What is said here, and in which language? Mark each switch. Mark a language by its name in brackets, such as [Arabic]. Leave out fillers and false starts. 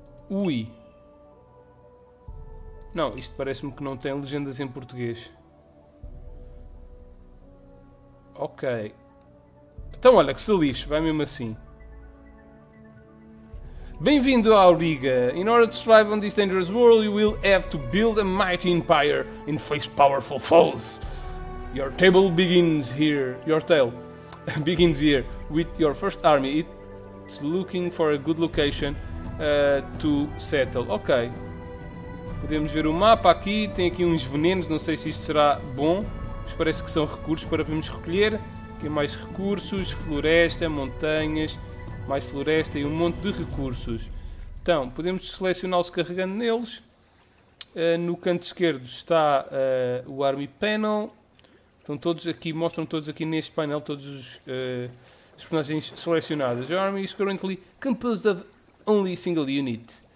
[Portuguese] Ui. Não, isto parece-me que não tem legendas em português. Ok. Então olha, que se lixe, vai mesmo assim. Bem-vindo à Auriga. [English] In order to survive on this dangerous world, you will have to build a mighty empire and face powerful foes. Your table begins here. Your tale begins here with your first army. It's looking for a good location to settle. [Portuguese] Ok. Podemos ver o mapa aqui. Tem aqui uns venenos. Não sei se isto será bom. Mas parece que são recursos para podermos recolher. Aqui mais recursos. Floresta, montanhas. Mais floresta e um monte de recursos. Então, podemos selecioná-los carregando neles. No canto esquerdo está o Army Panel. Estão todos aqui, mostram todos aqui neste painel todos os personagens selecionados. [English] The Army is currently composed of only a single unit.